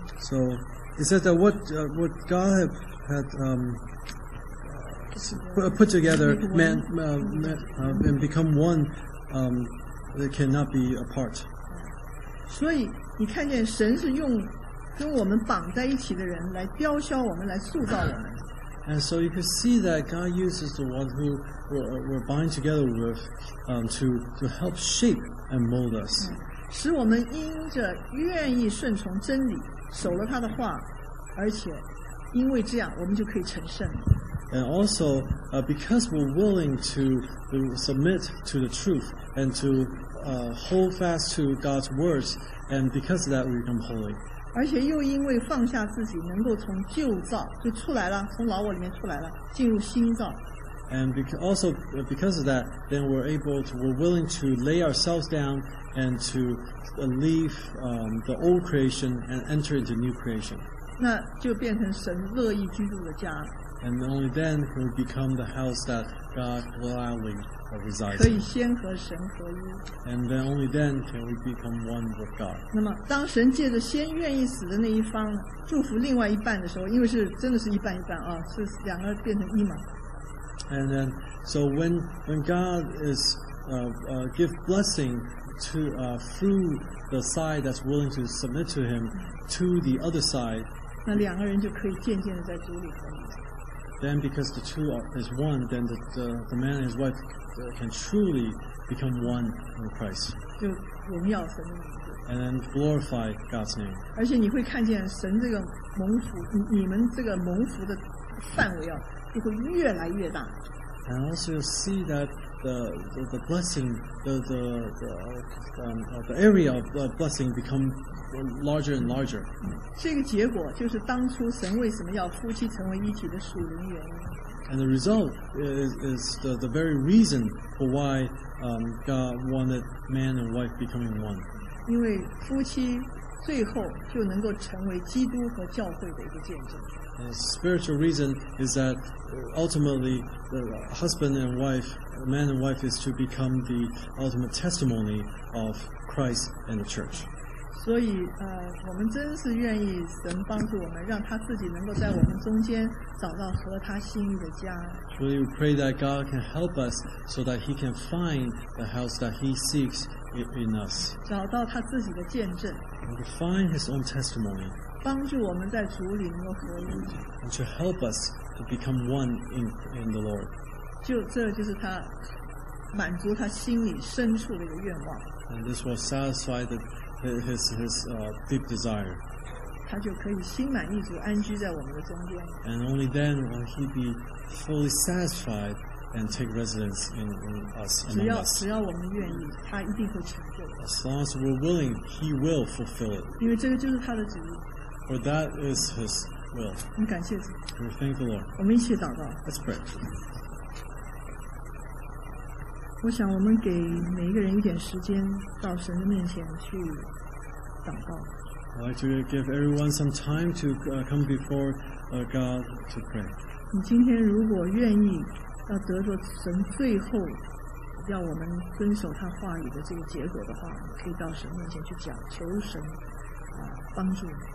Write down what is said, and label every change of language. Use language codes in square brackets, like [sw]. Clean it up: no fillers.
[en] So he said that what God had put together, and become one, they cannot be apart. [zh] 所以你看见神是用跟我们绑在一起的人来雕削我们，来塑造我们。 [en] And so you can see that God uses the one who we're bind together with to help shape and mold us. [zh] 使我们因着愿意顺从真理，守了他的话，而且因为这样，我们就可以成圣。 [en] And also, because we're willing to submit to the truth and to hold fast to God's words, and because of that, we become holy. [zh] 而且又因为放下自己，能够从旧造就出来了，从老我里面出来了，进入新造。 [en] And also because of that, then we're willing to lay ourselves down and to leave the old creation and enter into new creation. [zh] 那就变成神乐意居住的家。 [en] And only then will become the house that God gladly resides in. [zh] 可以先和神合一。 [en] And then only then can we become one with God. [zh] 那么当神借着先愿意死的那一方祝福另外一半的时候，因为是真的是一半一半啊，是两个变成一嘛。 [en] And then, so when God is give blessing to through the side that's willing to submit to Him to the other side, [zh] 那两个人就可以渐渐的在主里合一。 [en] Then because the two is one, then the man and his wife can truly become one in Christ. [zh] 就荣耀神的名字。 [en] And then glorify God's name. [zh] 而且你会看见神这个蒙福，你们这个蒙福的范围啊，就会越来越大。 [en] And also you'll see that the blessing, the area of the blessing become larger and larger. [zh] 这个结果就是当初神为什么要夫妻成为一体的属灵原因。 [en] And the result is the very reason for why God wanted man and wife becoming one. [zh] 因为夫妻最后就能够成为基督和教会的一个见证。 [en] The spiritual reason is that ultimately the husband and wife, man and wife, is to become the ultimate testimony of Christ and the church. [zh] 所以我们真是愿意神帮助我们，让他自己能够在我们中间找到合他心意的家。 [en] So we pray that God can help us so that He can find the house that He seeks in us. [zh] 找到他自己的见证。 [en] And to find His own testimony. [zh] 帮助我们在主里能够合一。 [en] And to help us to become one in the Lord. [zh] 就这就是他满足他心里深处的一个愿望。 [en] And this will satisfy his deep desire. [zh] 他就可以心满意足安居在我们的中间。 [en] And only then will he be fully satisfied and take residence in us. [zh] 只要我们愿意，他一定会成就。 [en] As long as we're willing, he will fulfill it. [zh] 因为这个就是他的旨意。 [en] For that is his will. [zh] 我们感谢主。 [en] We thank the Lord. [zh] 我们一起祷告。 [en] Let's pray. [zh] 我想我们给每一个人一点时间到神的面前去祷告。 [en] I'd like to give everyone some time to come before God to pray. [zh] 你今天如果愿意要得着神最后要我们遵守他话语的这个结果的话，可以到神面前去讲，求神帮助你。